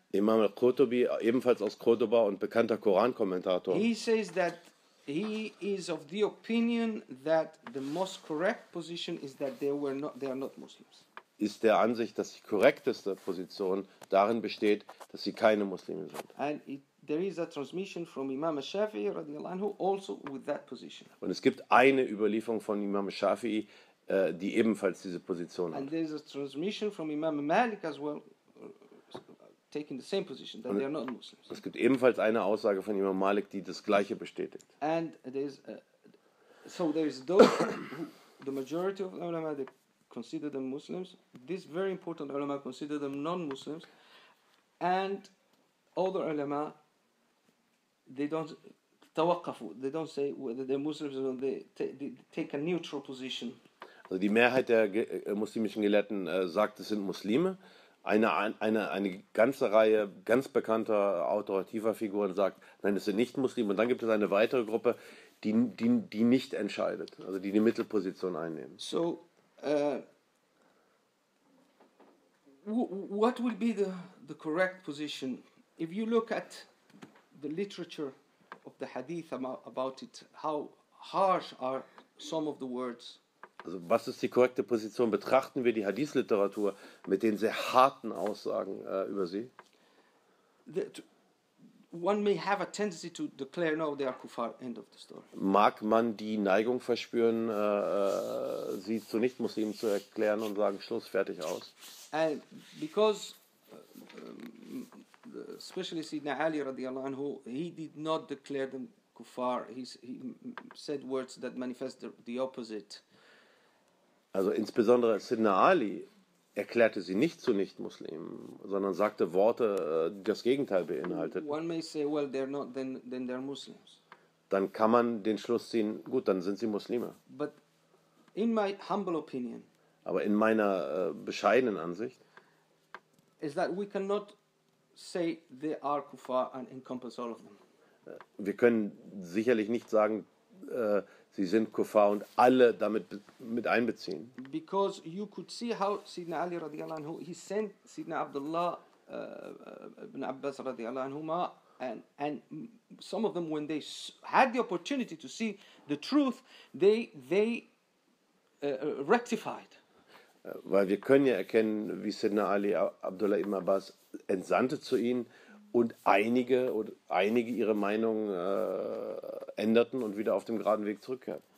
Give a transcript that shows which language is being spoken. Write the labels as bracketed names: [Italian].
[German] Imam al-Qurtubi, ebenfalls aus Cordoba und bekannter Koran-Kommentator. [English] He says that he is of the opinion that the most correct position is that they are not Muslims. [German] Ist der Ansicht, dass die korrekteste Position darin besteht, dass sie keine Muslime sind. [English] And there is a transmission from Imam Shafi'i radiallahu anhu also with that position. [German] Und es gibt eine Überlieferung von Imam Shafi'i, die ebenfalls diese Position hat. [English] And there is a transmission from Imam Malik as well taking the same position that they are not Muslims. [German] Es gibt ebenfalls eine Aussage von Imam Malik, die das gleiche bestätigt. [English] And there is those the majority of ulama consider them Muslims. This very important ulama consider them non-Muslims, and other ulama they don't say whether they're Muslims or not. They take a neutral position. [German] Also die Mehrheit der muslimischen Gelehrten sagt, es sind Muslime. Eine ganze Reihe ganz bekannter autoritativer Figuren sagt, nein, es sind nicht Muslime. Und dann gibt es eine weitere Gruppe, die nicht entscheidet, also die Mittelposition einnehmen. [English] So what will be the correct position? If you look at the literature of the hadith about it, how harsh are some of the words? [German] Also was ist die korrekte Position? Betrachten wir die Hadith-Literatur mit den sehr harten Aussagen über sie? [English] One may have a tendency to declare, no, they are kuffar, end of the story. [German] Mag man die Neigung verspüren, sie zu Nicht-Muslimen zu erklären und sagen, Schluss, fertig, aus? [English] And because especially Sidna Ali radiallahu anhu, he did not declare them kuffar. He said words that manifest the opposite. [German] Also insbesondere Sidna Ali erklärte sie nicht zu Nicht-Muslimen, sondern sagte Worte, die das Gegenteil beinhaltet. [English] One may say, well, they're not, then they're Muslims. [German] Dann kann man den Schluss ziehen, gut, dann sind sie Muslime. [English] But in my humble opinion, [German] aber in meiner bescheidenen Ansicht [English] is that we cannot say they are kuffar and encompass all of them. [German] Wir können sicherlich nicht sagen, sie sind kuffar und alle damit mit einbeziehen. [English] Because you could see how Sidna Ali radiallahu anhu, he sent Sidna Abdullah ibn Abbas radiallahu anhu, and some of them, when they had the opportunity to see the truth, they rectified. [German] Weil wir können ja erkennen, wie Sidna Ali Abdullah ibn Abbas entsandte zu ihnen und einige ihre Meinung änderten und wieder auf dem geraden Weg zurückkehrten.